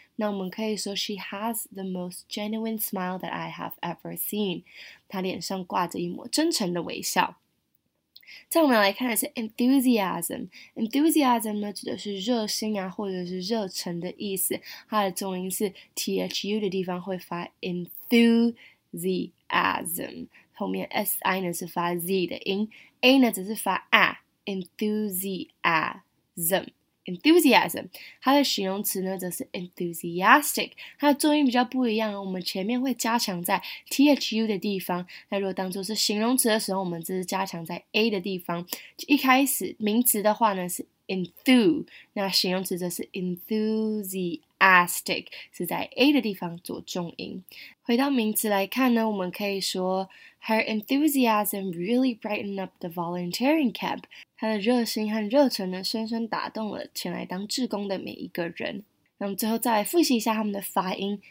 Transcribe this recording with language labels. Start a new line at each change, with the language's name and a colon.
Chinese: 那我们可以说
English: ，She has the most genuine smile that I have ever seen。
Chinese: 她脸上挂着一抹真诚的微笑。再我们来看的是 enthusiasm 呢指的是热心啊或者是热忱的意思，它的重音是 thu 的地方会发 enthusiasm。后面 si 呢是发 z 的音 ，a 呢只是发 a，enthusiasm， 它的形容词呢则是 enthusiastic， 它的重音比较不一样，我们前面会加强在 thu 的地方，那如果当作是形容词的时候，我们只是加强在 a 的地方。一开始名词的话呢是 enthu， 那形容词则是 enthusiastic， 是在 a 的地方做重音。回到名词来看呢，我们可以说。
English: Her enthusiasm really brightened up the volunteering camp.
Chinese: 她的热心和热忱呢，深深打动了前来当志工的每一个人。那我们最后再来复习一下他们的发音。